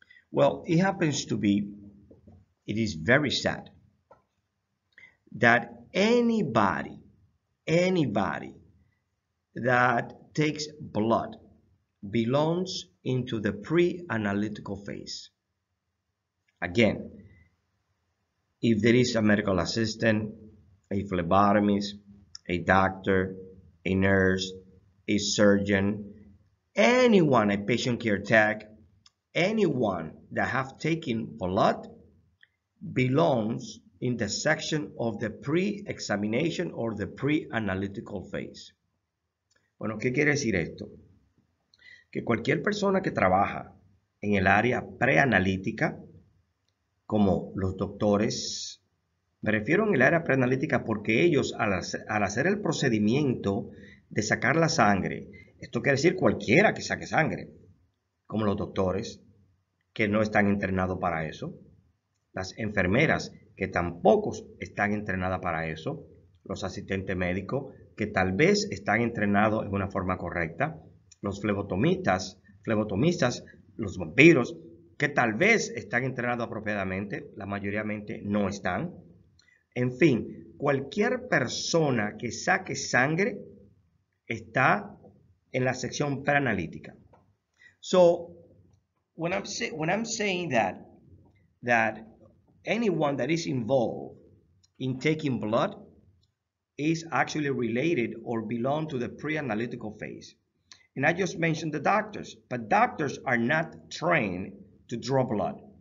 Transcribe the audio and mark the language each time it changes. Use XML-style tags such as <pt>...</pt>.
<en>Well, it happens to be, it is very sad that anybody that takes blood belongs into the pre-analytical phase. Again, if there is a medical assistant, a phlebotomist, a doctor, a nurse, a surgeon, anyone, a patient care tech, anyone that have taken blood belongs in the section of the pre-examination or the pre-analytical phase.</en> <es>Bueno, ¿qué quiere decir esto? Que cualquier persona que trabaja en el área preanalítica, como los doctores, me refiero en el área preanalítica porque ellos al hacer el procedimiento de sacar la sangre, esto quiere decir cualquiera que saque sangre, como los doctores que no están entrenados para eso, las enfermeras que tampoco están entrenadas para eso, los asistentes médicos que tal vez están entrenados en una forma correcta, los phlebotomistas, los vampiros que tal vez están entrenados apropiadamente, la mayoría no están. En fin, cualquier persona que saque sangre está en la sección preanalítica.</es> <en>So, when I'm saying that anyone that is involved in taking blood is actually related or belong to the pre-analytical phase. And I just mentioned the doctors, but doctors are not trained to draw blood.</en>